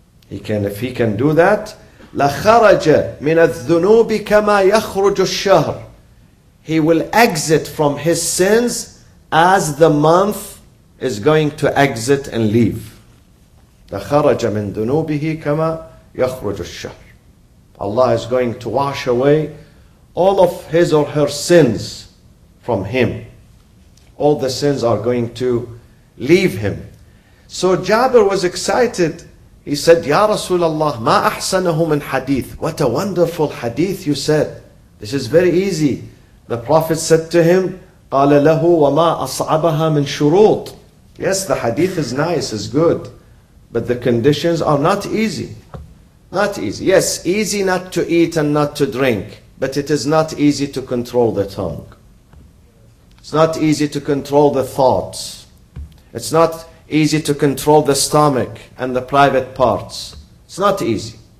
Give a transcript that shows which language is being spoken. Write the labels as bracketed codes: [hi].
[en] If he can do that, [ar] لخرج من الذنوب كما يخرج الشهر. [en] He will exit from his sins as the month is going to exit and leave. [ar] لخرج من ذنوبه كما يخرج الشهر. [en] Allah is going to wash away all of his or her sins from him. All the sins are going to leave him. So Jabir was excited. He said, Ya Rasulallah, [ar] ma ahsanahu min hadith. [en] What a wonderful hadith you said. This is very easy. The Prophet said to him, [ar] قَالَ لَهُ وَمَا أَصْعَبَهَا مِنْ شُرُوطٍ. [en] Yes, the hadith is nice, is good. But the conditions are not easy. Not easy. Yes, easy not to eat and not to drink. But it is not easy to control the tongue. It's not easy to control the thoughts. It's not easy to control the stomach and the private parts. It's not easy.